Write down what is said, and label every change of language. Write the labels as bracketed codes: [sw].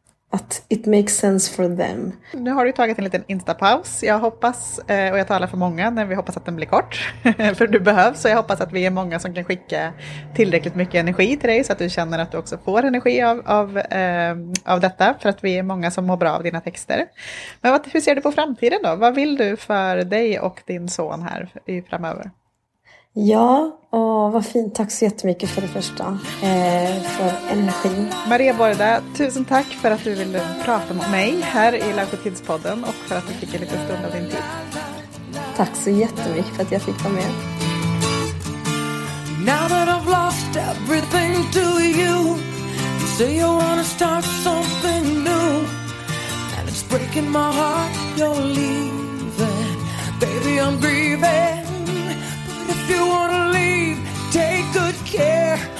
[en] Att it makes sense for them. [sv] Nu har du tagit en liten instapaus. Jag hoppas, och jag talar för många, när vi hoppas att den blir kort. För du behövs, så jag hoppas att vi är många som kan skicka tillräckligt mycket energi till dig. Så att du känner att du också får energi av detta. För att vi är många som mår bra av dina texter. Men hur ser du på framtiden då? Vad vill du för dig och din son här i framöver? Ja, och vad fint. Tack så jättemycket för det första. För energin. Maria Borda, tusen tack för att du ville prata med mig här i Life & Kids-podden och för att du fick en liten stund av din tid. Tack så jättemycket för att jag fick vara med. [en] Now that I've lost everything to you, you say you wanna start something new, and it's breaking my heart you're leaving. Baby, I'm grieving. If you wanna leave, take good care.